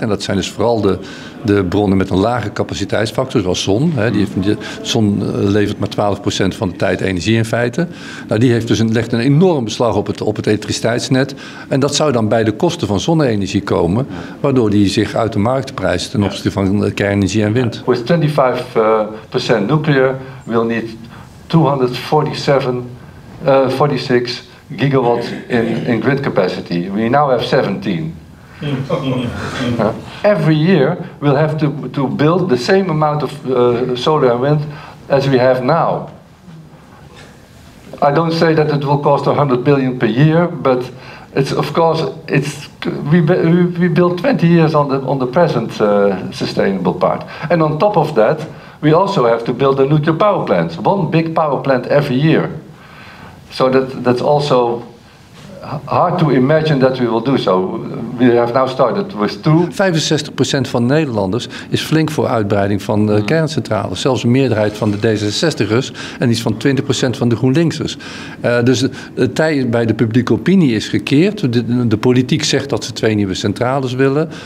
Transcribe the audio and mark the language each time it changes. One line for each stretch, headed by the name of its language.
Dutch: En dat zijn dus vooral de bronnen met een lage capaciteitsfactor, zoals zon. Zon levert maar 12% van de tijd energie in feite. Nou, die heeft dus legt een enorm beslag op het elektriciteitsnet. En dat zou dan bij de kosten van zonne-energie komen, waardoor die zich uit de markt prijst ten opzichte van kernenergie en wind.
English: With 25% nuclear, we'll need 246 gigawatt in grid capacity. We now have 17. Every year we'll have to build the same amount of solar and wind as we have now. I don't say that it will cost 100 billion per year, but it's of course it's we built 20 years on the present sustainable part. And on top of that, we also have to build a nuclear power plant, one big power plant every year. So that's also hard to imagine that we will do so. We have now started with two.
Dutch: 65% van Nederlanders is flink voor uitbreiding van de kerncentrales. Zelfs een meerderheid van de D66'ers en iets van 20% van de GroenLinksers. Dus het tij bij de publieke opinie is gekeerd. De politiek zegt dat ze twee nieuwe centrales willen.